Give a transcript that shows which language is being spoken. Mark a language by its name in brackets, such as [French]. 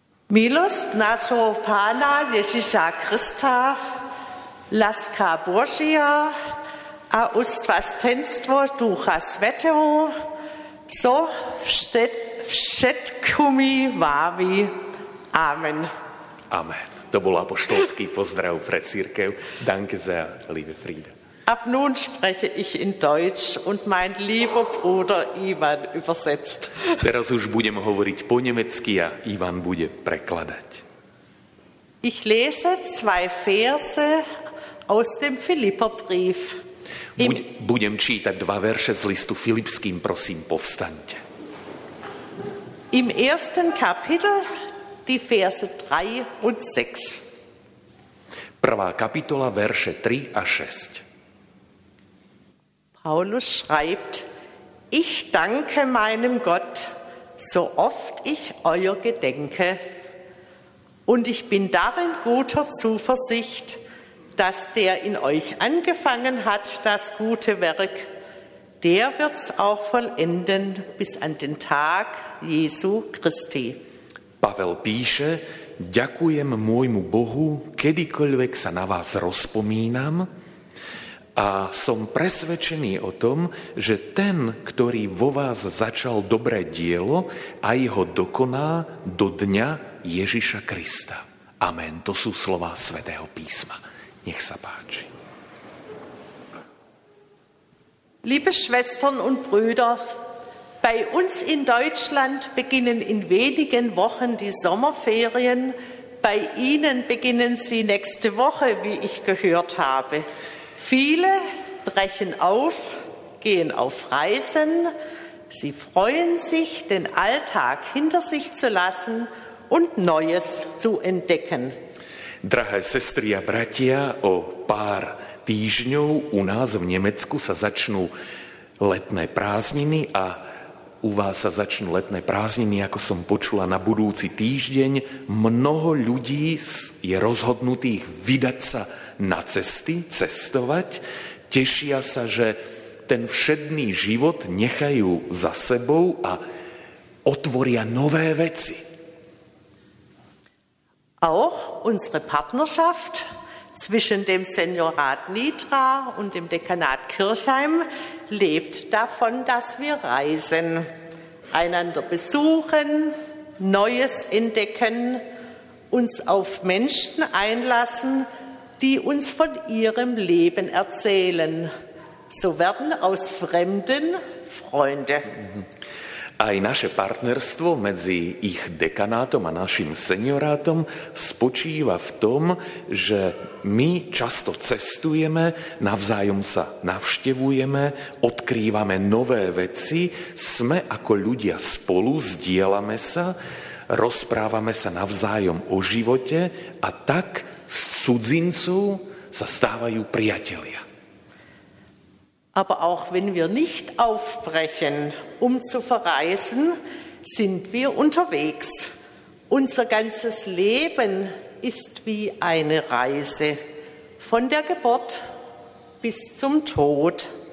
[Slovak] Milost naso Pana Ježiša Krista, láska Božia a ustvastenstvo Ducha Svätého so všetkými vámi. Amen. Amen. To bol apoštolský pozdrav pre cirkev. [German] Danke sehr, liebe Friede. Ab nun spreche ich in Deutsch und mein lieber Bruder Ivan übersetzt. [Slovak] Teraz už budem hovoriť po nemecky a Ivan bude prekladať. [German] Ich lese zwei Verse aus dem Philipperbrief. [Slovak] Budem čítať dva verše z listu Filipským, prosím, povstaňte. [German] Im ersten Kapitel die Verse 3 und 6. [Slovak] Prvá kapitola, verše 3 a 6. [German] Paulus schreibt, ich danke meinem Gott, so oft ich euer gedenke, und ich bin darin guter Zuversicht, dass der in euch angefangen hat, das gute Werk, der wird's auch vollenden bis an den Tag Jesu Christi. [Slovak] Pavel píše, ďakujem môjmu Bohu, kedykoľvek sa na vás rozpomínam, a som presvedčený o tom, že ten, ktorý vo vás začal dobré dielo, aj ho dokoná do dňa Ježiša Krista. Amen. To sú slová Svätého písma. Nech sa páči. [German] Liebe Schwestern und Brüder, bei uns in Deutschland beginnen in wenigen Wochen die Sommerferien. Bei Ihnen beginnen sie nächste Woche, wie ich gehört habe. Viele brechen auf, gehen auf Reisen. Sie freuen sich, den Alltag hinter sich zu lassen und Neues zu entdecken. [Slovak] Drahé sestry a bratia, o pár týždňov u nás v Nemecku sa začnú letné prázdniny a u vás sa začnú letné prázdniny, ako som počula, na budúci týždeň. Mnoho ľudí je rozhodnutých vydať sa na cesty, cestovať, tešia sa, že ten všedný život nechajú za sebou a otvoria nové veci. [German] Auch unsere Partnerschaft zwischen dem Seniorat Nitra und dem Dekanat Kirchheim lebt davon, dass wir reisen, einander besuchen, Neues entdecken, uns auf Menschen einlassen, die uns von ihrem Leben erzählen. So werden aus Fremden Freunde. [Slovak] Aj naše partnerstvo medzi ich dekanátom a našim seniorátom spočíva v tom, že my často cestujeme, navzájom sa navštevujeme, odkrývame nové veci, sme ako ľudia spolu, zdieľame sa, rozprávame sa navzájom o živote a tak z cudzincov sa stávajú priatelia. [German] Aber auch wenn wir nicht aufbrechen, um zu verreisen, sind wir unterwegs. Unser ganzes Leben ist wie eine Reise, von der Geburt bis zum Tod.